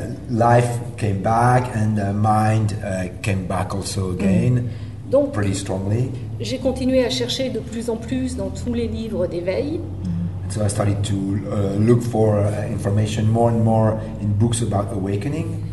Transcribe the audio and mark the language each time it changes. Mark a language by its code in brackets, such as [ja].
[en] Life came back and the mind came back also again. [fr] Donc, [en] pretty strongly. [fr] J'ai continué à chercher de plus en plus dans tous les livres d'éveil. [en] So I started to look for information more and more in books about awakening.